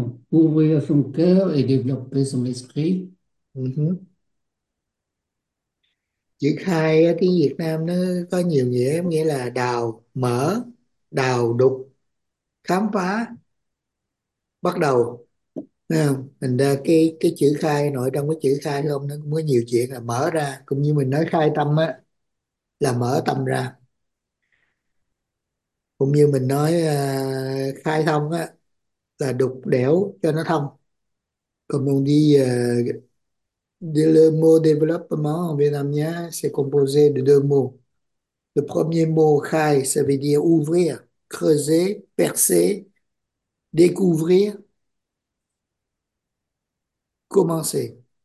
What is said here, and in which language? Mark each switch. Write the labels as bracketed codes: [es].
[fr] Ouvrir son cœur et développer son esprit. [vi] Chữ khai ở tiếng Việt Nam nó có nhiều nghĩa, nghĩa là đào, mở, đào đục, khám phá, bắt đầu. Không? Mình ra cái chữ khai, nội trong cái chữ khai không, nó cũng có nhiều chuyện là mở ra, cũng như mình nói khai tâm á là mở tâm ra, cũng như mình nói khai thông á là đục đẽo cho nó thông. Còn mình đi [fr] le mot développement en Việt Nam nhé, c'est composé de deux mots. Le premier mot khai, ça veut dire ouvrir, creuser, percer, découvrir, commencer.